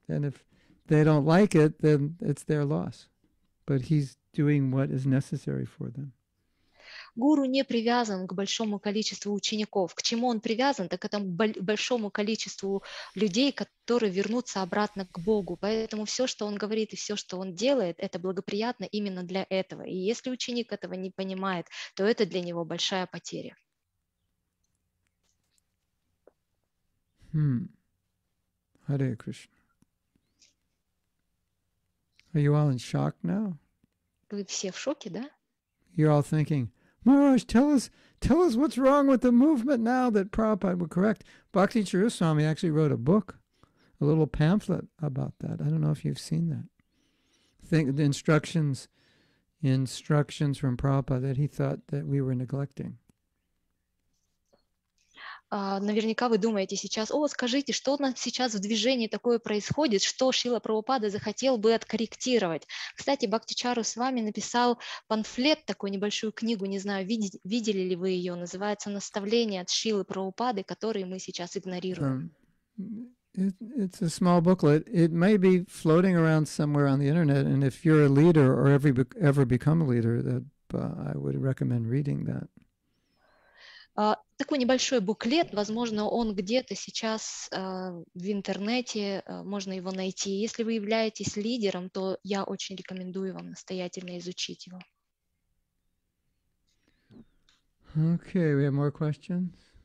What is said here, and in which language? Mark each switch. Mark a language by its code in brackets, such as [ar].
[en] And if they don't like it, then it's their loss. But he's doing what is necessary for them. [ru] Гуру не привязан к большому количеству учеников. К чему он привязан? Так это к большому количеству людей, которые вернутся обратно к Богу. Поэтому все, что он говорит и все, что он делает, это благоприятно именно для этого. И если ученик этого не понимает, то это для него большая потеря. [en] Hare Krishna. Are you all in shock now? [ru] Вы все в шоке, да? [en] You're all thinking, Maharaj, tell us what's wrong with the movement now that Prabhupada would correct. Bhakti Chirusami actually wrote a book, a little pamphlet about that. I don't know if you've seen that. Think the instructions from Prabhupada that he thought that we were neglecting. [ru] Наверняка вы думаете сейчас: о, скажите, что у нас сейчас в движении такое происходит, что Шрила Прабхупада захотел бы откорректировать. Кстати, Бхактичару с вами написал памфлет, такую небольшую книгу, не знаю, видели ли вы ее, называется «Наставление от Шрилы Прабхупады, которые мы сейчас игнорируем». [en] It's a small booklet. It may be floating around somewhere on the internet, and if you're a leader or ever become a leader, that I would recommend reading that. [ru] Такой небольшой буклет, возможно, он где-то сейчас в интернете, можно его найти. Если вы являетесь лидером, то я очень рекомендую вам настоятельно изучить его. [en] Okay, we have more questions.